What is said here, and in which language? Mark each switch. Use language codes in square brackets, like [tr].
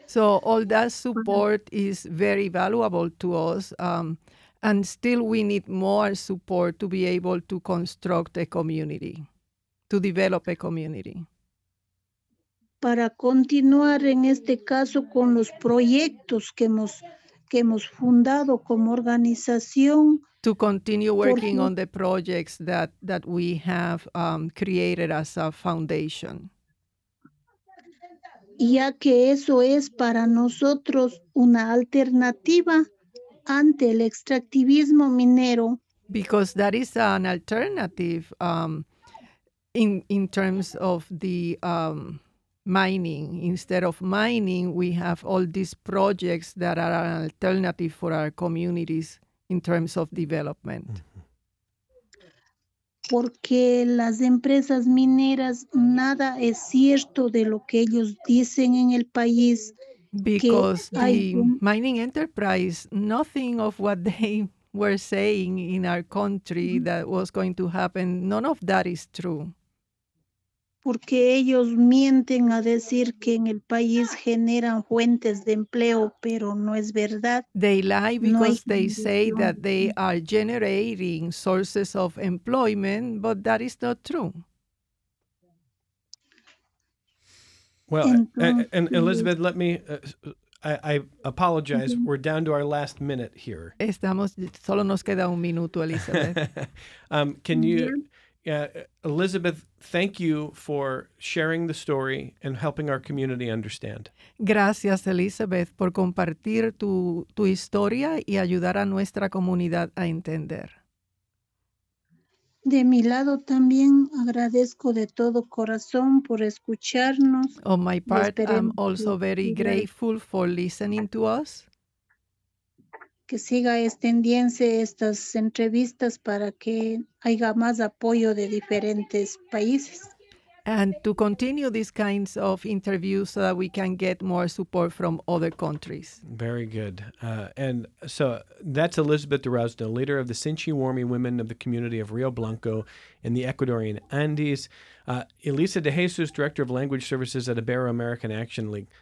[en] So all that support is very valuable to us, and still we need more support to be able to construct a community, to develop a community. [es] Para continuar en este caso con los proyectos que hemos fundado como organización. [en] To continue working on the projects that we have created as a foundation. [es] Ya que eso es para nosotros una alternativa ante el extractivismo minero. [en] Because that is an alternative in terms of the mining. Instead of mining, we have all these projects that are an alternative for our communities in terms of development. [es] Porque las empresas mineras, nada es cierto de lo que ellos dicen en el país. [en] Because mining enterprise, nothing of what they were saying in our country that was going to happen, none of that is true. [es] porque ellos mienten a decir que en el país generan fuentes de empleo, pero no es verdad. [en] They lie because no they say that they are generating sources of employment, but that is not true. Well, and Elizabeth, let me, I apologize. Mm-hmm. We're down to our last minute here. [es] Estamos, solo nos queda un minuto, Elizabeth. [en] Can you... Elizabeth, thank you for sharing the story and helping our community understand. [es] Gracias, Elizabeth, por compartir tu historia y ayudar a nuestra comunidad a entender. De mi lado también agradezco de todo corazón por escucharnos. [en] On my part, I'm also very grateful for listening to us. [es] Que siga extendiéndose estas entrevistas para que haya más apoyo de diferentes países. [en] And to continue these kinds of interviews so that we can get more support from other countries. Very good. And so that's Elizabeth Durazdo, leader of the Sinchi Warmi Women of the Community of Rio Blanco in the Ecuadorian Andes. Elisa De Jesus, director of language services at Ibero-American Action League.